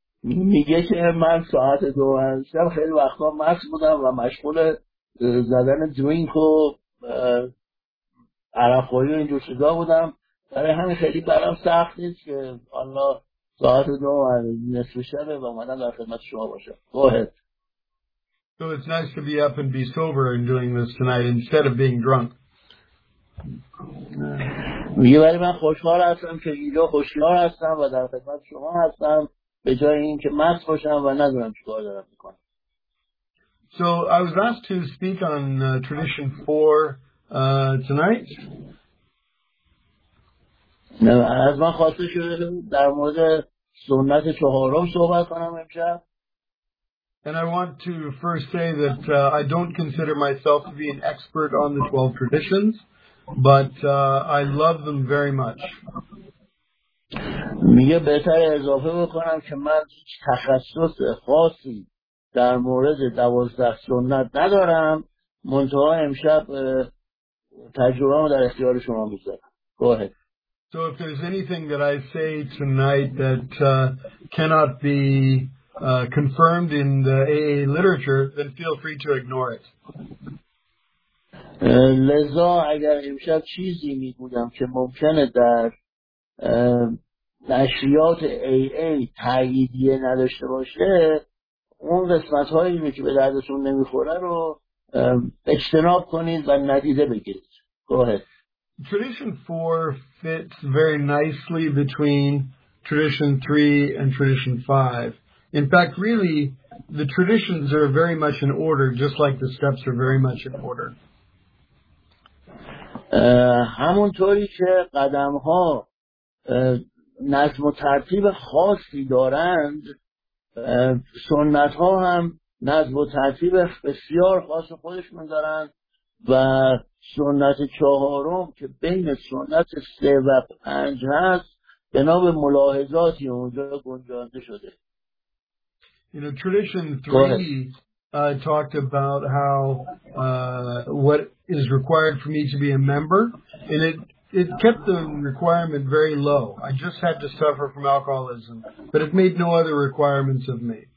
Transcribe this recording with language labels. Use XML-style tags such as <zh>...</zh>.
<fa>میگه که من ساعت 2 شب خیلی وقتا مست بودم و مشغول زدن درینک و عرق‌خوری و اینجور چیزا بودم، برای همین خیلی برام سخت نیست که حالا ساعت 2 نصف شب و اومدم در خدمت شما باشم.</fa> <en>Go ahead. So it's nice to be up and be sober and doing this tonight instead of being drunk.</en> <fa>میگه ولی من خوشحال هستم که اینجا خوشحال هستم و در خدمت شما هستم به جای این که مست باشم و ندونم چی کار دارم میکنم.</fa> <en>So I was asked to speak on tradition four tonight.</en> <fa>از من خواسته شده در مورد سنت چهارم صحبت کنم امشب.</fa> <en>And I want to first say that I don't consider myself to be an expert on the 12 traditions, but I love them very much.</en> <fa>میگه بهتر اضافه بکنم که من هیچ تخصص خاصی در مورد 12 سنت ندارم، منتها امشب تجربه‌مو در اختیار شما می‌ذارم.</fa> <en>Go ahead. So if there's anything that I say tonight that cannot be confirmed in the AA literature, then feel free to ignore it.</en> <fa>لذا اگر امشب چیزی میگویم که ممکنه در نشریات AA تاییدیه نداشته باشه، اون قسمت هایی که به دردتون نمیخوره رو اجتناب کنید و ندیده بگیرید.</fa> <en>Go ahead. Tradition 4 fits very nicely between Tradition 3 and Tradition 5. In fact, really, the traditions are very much in order, just like the steps are very much in order.</en> <fa>همونطوری که قدم‌ها نظم و ترتیب خاصی دارند، سنت‌ها هم نظم و ترتیب بسیار خاص خودشون دارند و سنت چهارم که بین سنت سه و پنج هست بنا به ملاحظاتی اونجا گنجانده شده.</fa> <en>You know, tradition 3 talked about how what is required for me to be a member, and it kept the requirement very low. I just had to suffer from alcoholism, but it made no other requirements of me.</en>